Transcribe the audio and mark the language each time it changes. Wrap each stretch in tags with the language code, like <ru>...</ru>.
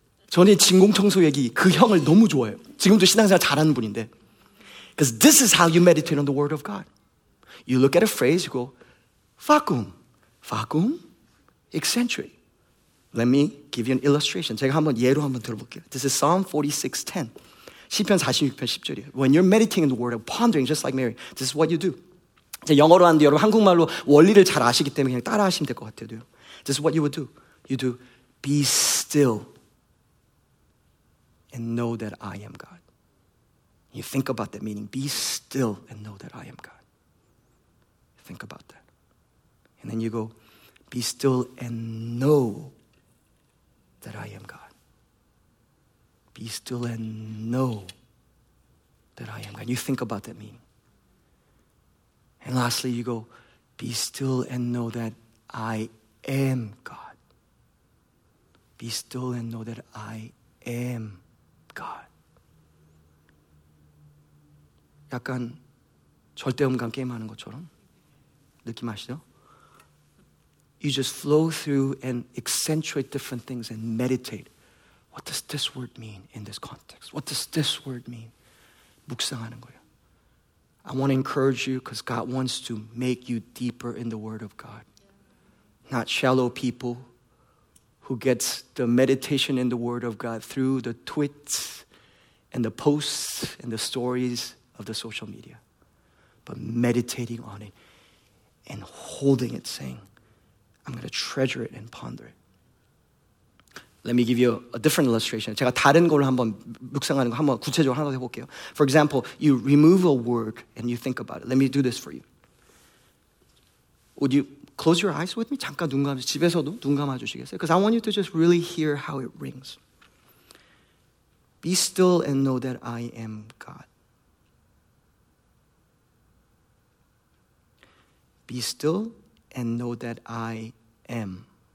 <ko>저는 진공청소 얘기, 그 형을 너무 좋아해요. 지금도 신앙생활 잘하는 분인데.</ko> <en>Because this is how you meditate on the word of God. You look at a phrase, you go, vacuum, vacuum, accentuate. Let me give you an illustration.</en> <ko>제가 한번 예로 한번 들어볼게요.</ko> <en>This is Psalm 46:10.</en> <ko>시편 46편 10절이에요.</ko> <en>When you're meditating in the word of pondering, just like Mary, this is what you do.</en> <ko>영어로 하는데 여러분 한국말로 원리를 잘 아시기 때문에 그냥 따라 하시면 될 것 같아요.</ko> <en>This is what you would do. You do be still and know that I am God. You think about that meaning. Be still and know that I am God. Think about that. And then you go be still and know that I am God. Be still and know that I am God. You think about that meaning. And lastly, you go, be still and know that I am God. Be still and know that I am God.</en> <ko>약간 절대음감 게임하는 것처럼 느낌 아시죠?</ko> <en>You just flow through and accentuate different things and meditate. What does this word mean in this context? What does this word mean?</en> <ko>묵상하는 거예요.</ko> <en>I want to encourage you because God wants to make you deeper in the Word of God. Not shallow people who gets the meditation in the Word of God through the tweets and the posts and the stories of the social media, but meditating on it and holding it, saying, I'm going to treasure it and ponder it. Let me give you a different illustration.</en> <ko>제가 다른 걸 한번 묵상하는 거 한번 구체적으로 하나 해볼게요.</ko> <en>For example, you remove a word and you think about it. Let me do this for you. Would you close your eyes with me?</en> <ko>잠깐 눈 감아 집에서도 눈 감아 주시겠어요?</ko> <en>Because I want you to just really hear how it rings. Be still and know that I am God. Be still and know that I am.</en>